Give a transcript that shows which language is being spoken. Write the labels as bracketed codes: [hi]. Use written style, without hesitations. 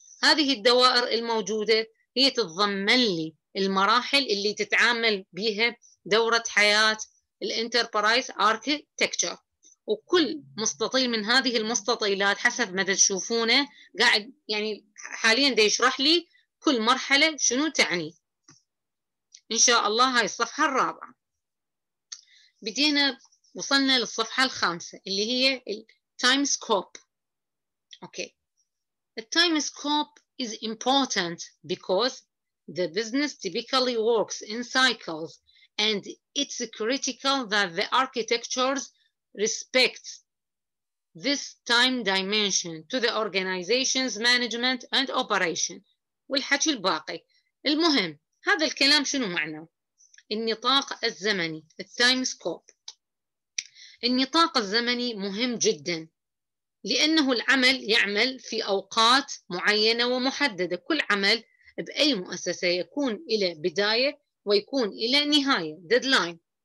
[ar] هذه الدوائر الموجودة هي تتضمن لي المراحل اللي تتعامل بها دورة حياة الانتربرايز أركيتكتشر، وكل مستطيل من هذه المستطيلات حسب ما تشوفونه قاعد يعني حاليا دا يشرح لي كل مرحلة شنو تعني. إن شاء الله هاي الصفحة الرابعة. بدينا وصلنا للصفحة الخامسة اللي هي الـ Time Scope. [en] Okay. The Time Scope is important because the business typically works in cycles and it's critical that the architectures respect this time dimension to the organization's management and operation. [ar] والحكي الباقي. المهم هذا الكلام شنو معناه؟ النطاق الزمني، التايم سكوب. النطاق الزمني مهم جدا لأنه العمل يعمل في أوقات معينة ومحددة. كل عمل بأي مؤسسة يكون إلى بداية ويكون إلى نهاية، ديدلاين.